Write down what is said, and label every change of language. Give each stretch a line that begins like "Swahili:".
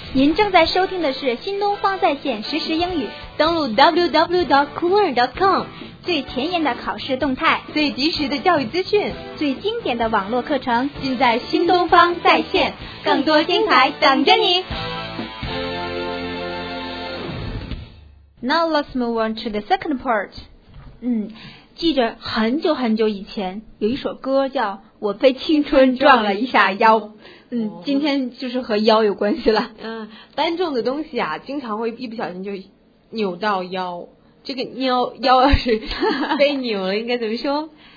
Chinese: 您正在收听的是新东方在线实时英语。登录 www.cooler.com, 最前沿的考试动态，最及时的教育资讯，最经典的网络课程，尽在新东方在线，更多精彩等着你。
English: Now let's move on to the second part.
Chinese: 记着很久很久以前有一首歌叫我被青春撞了一下腰。今天就是和腰有关系了。搬重的东西啊经常会一不小心就扭到腰。这个腰要是被扭了应该怎么说？